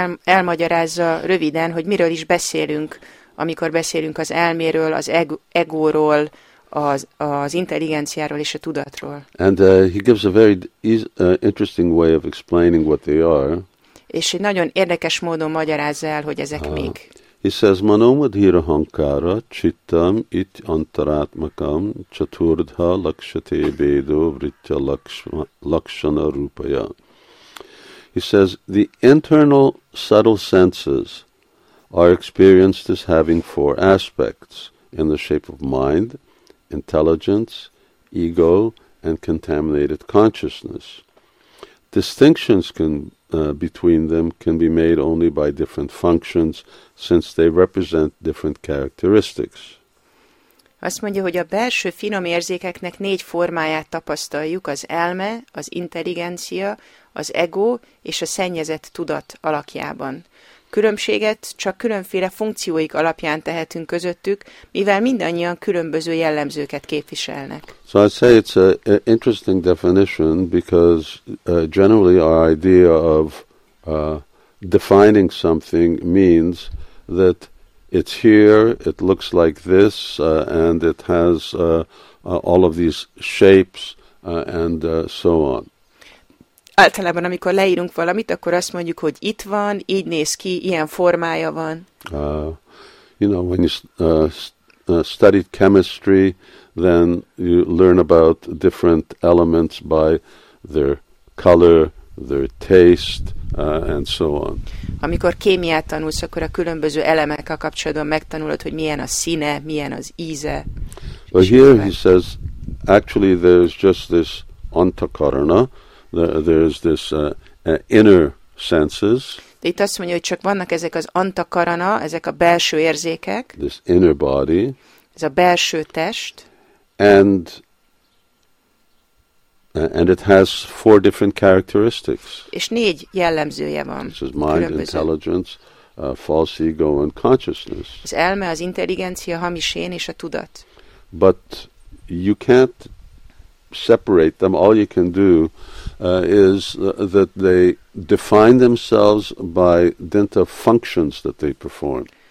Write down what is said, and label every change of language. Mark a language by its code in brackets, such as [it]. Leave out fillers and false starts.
[hu] Elmagyarázza röviden, hogy miről is beszélünk, amikor beszélünk az elméről, az egóról, az intelligenciáról és a tudatról. [en] And he gives a very interesting way of explaining what they are. [hu] És egy nagyon érdekes módon magyarázza el, hogy ezek mik. [en] He says, [sa] manomadhira hankara chittam it antarátmakam chaturdha lakshate bedo vritya lakshana rupaya. [en] He says, the internal subtle senses are experienced as having four aspects in the shape of mind, intelligence, ego, and contaminated consciousness. Distinctions can between them can be made only by different functions, since they represent different characteristics. [hu] Azt mondja, hogy a belső finom érzékeknek négy formáját tapasztaljuk, az elme, az intelligencia, az ego és a szennyezett tudat alakjában. Különbséget csak különféle funkcióik alapján tehetünk közöttük, mivel mindannyian különböző jellemzőket képviselnek. [en] So I'd say it's an interesting definition because generally our idea of defining something means that it's here, it looks like this, and it has all of these shapes, and so on. [hu] Általában, amikor leírunk valamit, akkor azt mondjuk, hogy itt van, így néz ki, ilyen formája van. [en] You know, when you studied chemistry, then you learn about different elements by their color, their taste, and so on. [hu] Amikor kémiát tanulsz, akkor a különböző elemekkel kapcsolatban megtanulod, hogy milyen a színe, milyen az íze. [en] But here he says, actually there's just this antakarana, there's this inner senses. [hu] De itt azt mondja, hogy csak vannak ezek az antakarana, ezek a belső érzékek. [en] This inner body. [hu] Ez a belső test. [en] And it has four different characteristics. [hu] És négy jellemzője van. [en] This is mind, [hu] különböző. [en] Intelligence, false ego, and consciousness. [hu] Az elme, az intelligencia, hamis én és a tudat. [en] But you can't separate them. All you can do is that they define themselves by dint of functions that they perform.